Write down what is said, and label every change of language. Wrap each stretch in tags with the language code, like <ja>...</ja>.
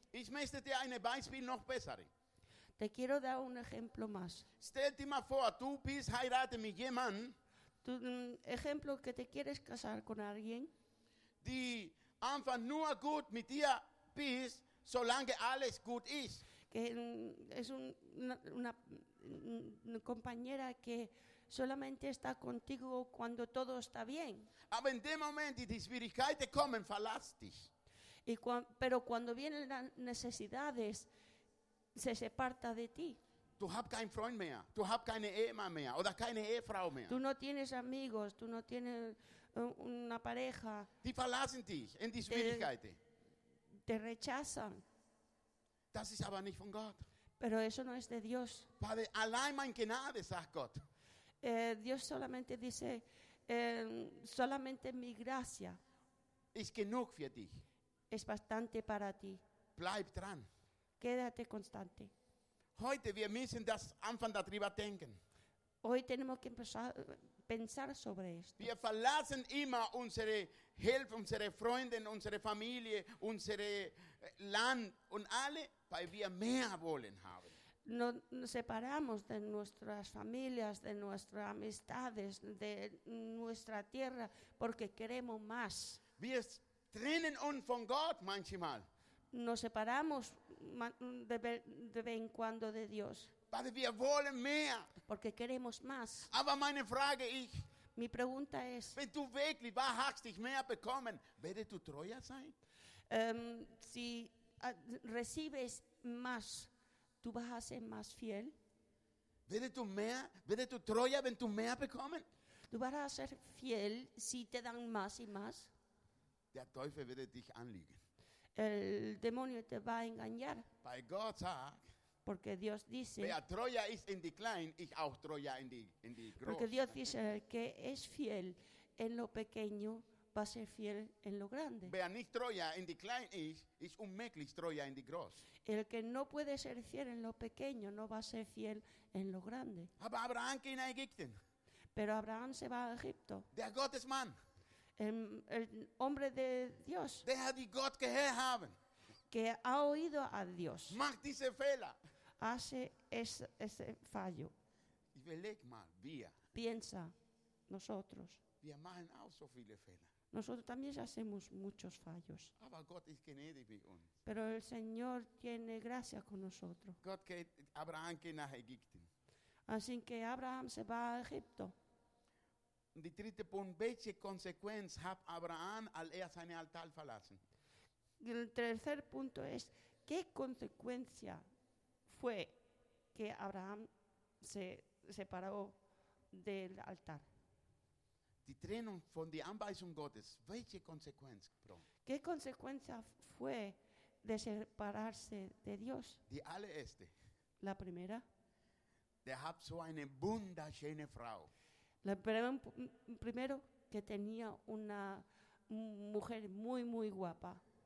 <de>Ich möchte dir ein Beispiel noch besser.</de> <es>Te quiero dar un ejemplo más.</es> <de>Stell dir mal vor, du bist heiratet mit jemandem.</de> <es>Tu ejemplo que te quieres casar con alguien.</es> <de>Die einfach nur gut mit dir bist, solange alles gut ist.</de> <es>Que es una compañera que solamente está contigo cuando todo está bien.</es> <de>Aber in dem Moment, die Schwierigkeiten kommen, verlass dich.</de> <es>Pero cuando vienen las necesidades, se separa de ti.</es> <de>Du hab keinen Freund mehr, du hab keine Ehemann mehr oder keine Ehefrau mehr.</de> <es>Tú no tienes amigos, tú no tienes una pareja.</es> <de>Die verlassen dich in die Schwierigkeiten.</de> <es>Te rechazan.</es> <de>Das ist aber nicht von Gott.</de> <es>Pero eso no es de Dios.</es> <de>Padre, allein mein Gnade, sagt Gott.</de> <es>Dios solamente dice, solamente mi gracia.</es> <de>Ist genug für dich.</de> <es>Es bastante para ti.</es> <de>Bleib dran.</de> <es>Quédate constante.</es> <de>Heute, wir müssen das anfangen darüber denken.</de> <es>Hoy tenemos que empezar a pensar sobre esto.</es> <de>Wir verlassen immer unsere Hilfe, unsere Freunde, unsere Familie, unser Land und alle, weil wir mehr wollen haben.</de> <es>Nos separamos de nuestras familias, de nuestras amistades, de nuestra tierra, porque queremos más.</es> <de>Wir trennen uns von Gott manchmal.</de> <es>Nos separamos de vez en cuando de Dios.</es> <de>Padre, wir wollen mehr.</de> <es>Porque queremos más.</es> <de>Aber meine Frage,</de> <es>mi pregunta es,</es> <de>wenn du wirklich wahrhaftig dich mehr bekommen, werde du treuer sein?</de> <es>Si recibes más, ¿tú vas a ser más fiel?</es> <de>Werde du mehr, werde du treuer, wenn du mehr bekommen?</de> <es>¿Tú vas a ser fiel si te dan más y más?</es> <de>Der Teufel werde dich anlügen.</de> <es>El demonio te va a engañar.</es> <en>By God's heart,</en> <es>porque Dios dice,</es> <de>wer treuer ist in die klein, ich auch treuer in die groß.</de> <es>Porque Dios dice, el que es fiel en lo pequeño va a ser fiel en lo grande.</es> <de>Wer nicht treuer in die klein ist, ist unmöglich treuer in die groß.</de> <es>El que no puede ser fiel en lo pequeño no va a ser fiel en lo grande.</es> <de>Aber Abraham ging nach Ägypten.</de> <es>Pero Abraham se va a Egipto.</es> <de>Der Gottesmann.</de> <es>El hombre de Dios.</es> <de>Der hat Gott gehört haben.</de> <es>Que ha oído a Dios.</es> <de>Macht diese Fehler.</de> <es>Hace ese fallo.</es> <de>Überleg mal, wir.</de> <es>Piensa, nosotros.</es> <de>Wir machen auch so viele Fehler.</de> <es>Nosotros también hacemos muchos fallos.</es> <de>Aber Gott ist gnädig mit uns.</de> <es>Pero el Señor tiene gracia con nosotros.</es> <de>Gott geht, Abraham geht nach Ägypten.</de> <es>Así que Abraham se va a Egipto.</es> <de>Der dritte Punkt, welche Konsequenz hat Abraham, als er seinen Altar verlassen?</de> <es>El tercer punto es, ¿qué consecuencia fue que Abraham se separó del altar?</es> <de>Die Trennung von der Anweisung Gottes, welche Konsequenz? Bro?</de> <es>¿Qué consecuencia fue de separarse de Dios?</es> <de>Die allererste.</de> <es>La primera.</es> <de>Der hat so eine wunderschöne Frau.</de> <es>La primero, que tenía una mujer muy, muy guapa.</es>